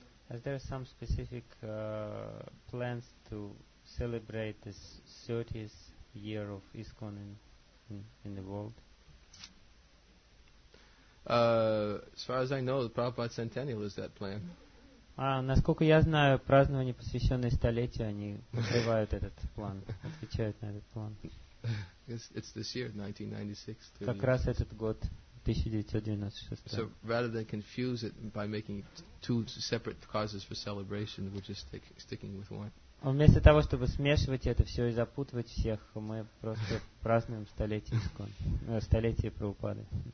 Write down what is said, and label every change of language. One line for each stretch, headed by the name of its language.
English: Is there some specific plans to celebrate this 30th year of ISKCON in the world? As far as I know, the Prabhupada Centennial is that plan.
Russian: Насколько я знаю, празднование, посвященное столетию, они открывают этот план, отвечают на этот план.
English: It's this year, 1996.
Russian: Как раз этот год, 1996.
English: So rather than confuse it by making two separate causes for celebration, we're just sticking with one.
Russian: Вместо того, чтобы смешивать это все и запутывать всех, мы просто празднуем столетие Прабхупады.